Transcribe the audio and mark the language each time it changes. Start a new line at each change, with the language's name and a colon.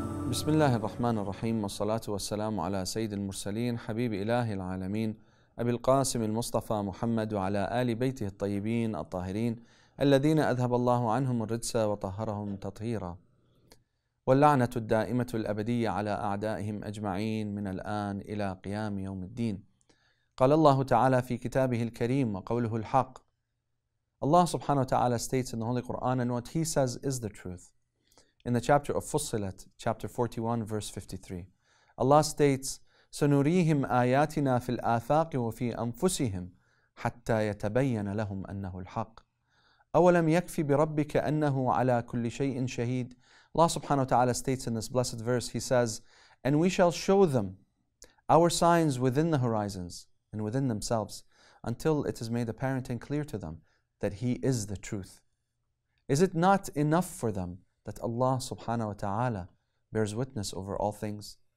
Arabic: بسم الله الرحمن الرحيم والصلاة والسلام على سيد المرسلين حبيب إله العالمين أبي القاسم المصطفى محمد وعلى آل بيته الطيبين الطاهرين الذين أذهب الله عنهم الرجس وطهرهم تطهيرا واللعنة الدائمة الأبدية على أعدائهم أجمعين من الآن إلى قيام يوم الدين. قال الله تعالى في كتابه الكريم وقوله الحق. الله سبحانه وتعالى
English: states in the Holy Quran and what he says is the truth. In the chapter of Fussilat, chapter 41, verse 53, Allah states,
Arabic: سَنُرِيهِمْ آيَاتِنَا فِي الْآفَاقِ وَفِي أَنفُسِهِمْ حَتَّى يَتَبَيَّنَ لَهُمْ أَنَّهُ الْحَقِّ أَوَلَمْ يَكْفِ بِرَبِّكَ أَنَّهُ عَلَىٰ كُلِّ شَيْءٍ شَهِيدٍ.
English: Allah subhanahu wa ta'ala states in this blessed verse, he says, and we shall show them our signs within the horizons and within themselves until it is made apparent and clear to them that he is the truth. Is it not enough for them that Allah subhanahu wa ta'ala bears witness over all things?